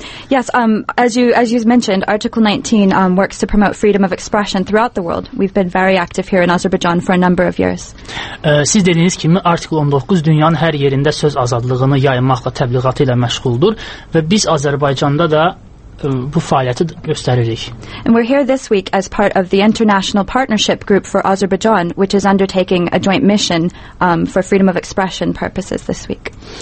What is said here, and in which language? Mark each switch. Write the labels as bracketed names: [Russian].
[English] Yes, as you mentioned, Article 19 works to promote freedom of expression throughout the world. We've been very active here in Azerbaijan for a number of years. [Azerbaijani] Siz dediğiniz kimi Artikel 19 dünyanın her yerinde söz azadlığını yaymakla, təbliğatıyla məşğuldur və biz Azərbaycanda da bu fəaliyyəti göstəririk. [English] And we're here this week as part of the International Partnership Group for Azerbaijan, which is undertaking a joint mission for freedom of expression purposes this week.